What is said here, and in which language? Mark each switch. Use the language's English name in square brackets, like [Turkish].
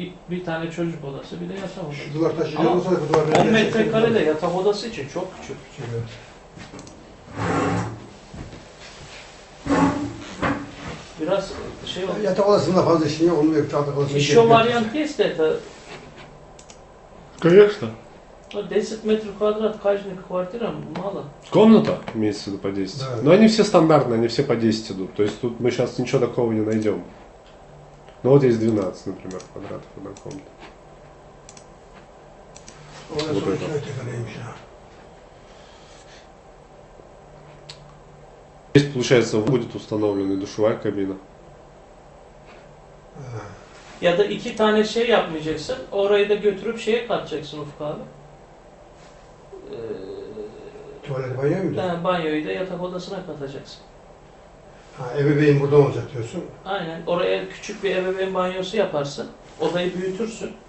[Turkish] Bir tane çocuk odası, bir de yatak odası. Şu duvar taşıyacak olsa da bu duvar... 10 metrekare de yatak odası için çok küçük. Biraz şey oldu. Yatak odasında fazla işin yok, onu yok. Yatak odasında işin yok. Variant değilse de... [Russian] Конечно. 10 метров квадрат, каждая квартира мало. Комната имеется в виду по 10. Да, но да. Они все стандартные, они все по 10 идут. То есть тут мы сейчас ничего такого не найдем. Ну вот есть 12, например, квадратов на комнату. Вот это. Здесь, получается, будет установлена душевая кабина. [Turkish] Ya da iki tane şey yapmayacaksın, orayı da götürüp şeye katacaksın Ufuk abi. Tuvalet banyo muydu? Yani banyoyu da yatak odasına katacaksın. Ha, ebeveyn burada olacak diyorsun. Aynen, oraya küçük bir ebeveyn banyosu yaparsın, odayı büyütürsün.